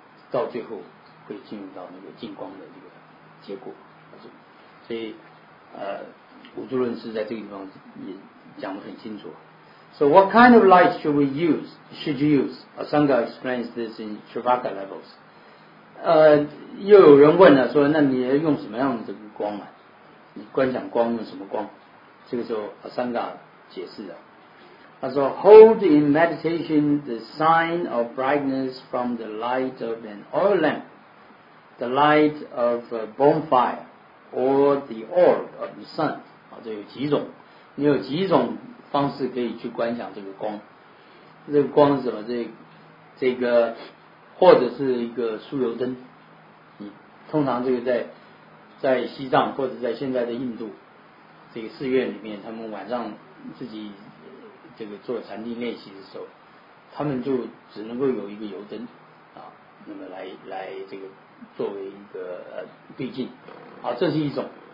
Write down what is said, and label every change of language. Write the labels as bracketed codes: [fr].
[zh] 到最后会进入到那个净光的这个结果，所以五祖论师在这个地方也讲得很清楚。 [en] So what kind of light should we use? Should you use? Asanga explains this in Shravaka levels. [zh] 又有人问了，说那你要用什么样的这个光啊？你观想光用什么光？这个时候 Asanga 解释了。他说 [en] hold in meditation the sign of brightness from the light of an oil lamp, the light of a bonfire, or the orb of the sun. [zh] 这有几种，你有几种方式可以去观想这个光。这个光是什么？这个或者是一个酥油灯。通常这个在西藏或者在现在的印度这个寺院里面，他们晚上自己这个做禅定练习的时候，他们就只能够有一个油灯啊，那么来这个作为一个对镜啊，这是一种。